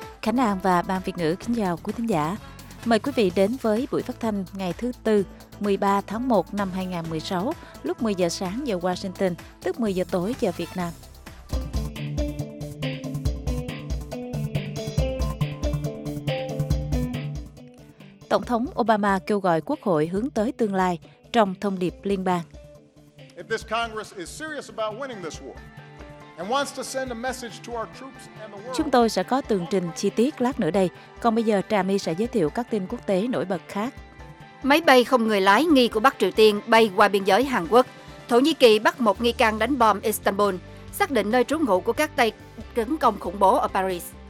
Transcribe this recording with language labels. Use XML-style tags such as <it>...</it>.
<vi>Khánh An và Ban Việt Ngữ kính chào quý thính giả. Mời quý vị đến với buổi phát thanh ngày thứ Tư, 13 tháng 1 năm 2016, lúc 10 giờ sáng giờ Washington, tức 10 giờ tối giờ Việt Nam. Tổng thống Obama kêu gọi Quốc hội hướng tới tương lai trong thông điệp liên bang.</vi> <en>If this Congress is serious about winning this war and wants to send a message to our troops and the world.</en> <vi>Chúng tôi sẽ có tường trình chi tiết lát nữa đây, còn bây giờ Trà My sẽ giới thiệu các tin quốc tế nổi bật khác. Máy bay không người lái nghi của Bắc Triều Tiên bay qua biên giới Hàn Quốc. Thổ Nhĩ Kỳ bắt một nghi can đánh bom Istanbul, xác định nơi trú ngụ của các tay tấn công khủng bố ở Paris.</vi>